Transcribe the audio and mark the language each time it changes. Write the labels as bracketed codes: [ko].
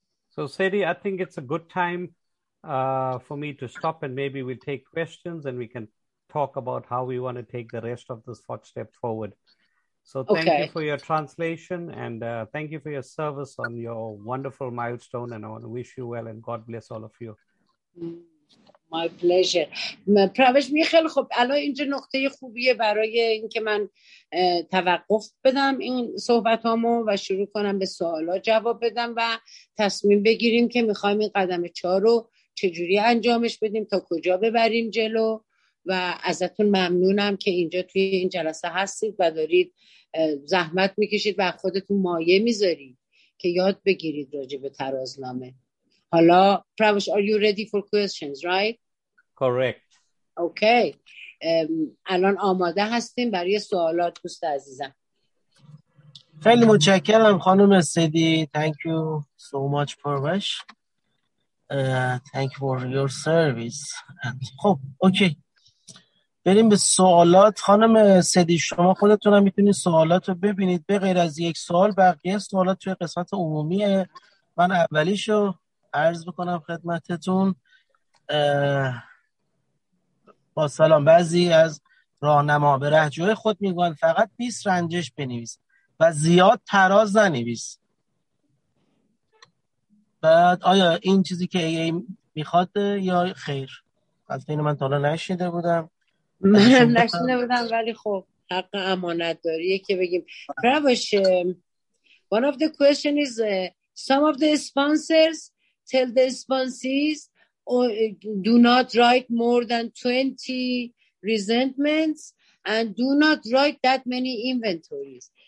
[en] So Sadie, I think it's a good time for me to stop and maybe we'll take questions and we can talk about how we want to take the rest of this fourth step forward. So thank you for your translation and thank you for your service on your wonderful milestone and I want to wish you well and God bless all of you. My pleasure. [fa] پروش می خیلی خوب. الان اینجا نقطه خوبیه برای اینکه من توقف بدم این صحبتامو و شروع کنم به سوالا جواب بدم و تصمیم بگیریم که میخوایم این قدم 4 رو چجوری انجامش بدیم، تا کجا ببریم جلو. و ازتون ممنونم که اینجا توی این جلسه هستید و دارید زحمت میکشید و خودتون مایه میذارید که یاد بگیرید راجع به ترازنامه. [en] Hello, Pravesh, are you ready for questions, right? Correct. Okay. [fa] الان آماده هستیم برای سوالات دوست عزیزم. خیلی متشکرم خانم سیدی. [en] Thank you so much, Pravesh. Thank you for your service. خب, okay. [fa] بریم به سوالات. خانم سیدی, شما خودتون هم میتونید سوالات رو ببینید. به غیر از یک سوال, بقیه سوالات توی قسمت عمومیه. من اولیشو عرض بکنم خدمتتون. با سلام, بعضی از راهنما به رهجوی خود میگن فقط 20 رنجش بنویس و زیاد تراز ننویس. بعد آیا این چیزی که ای میخواد یا خیر؟ از بین من تا حالا نشیده بودم. نشیده بودم, ولی خب حق امانت داریه که بگیم. [en] پرواش, one of the question is some of the sponsors tell the sponsees do not write more than 20 resentments and do not write that many inventories.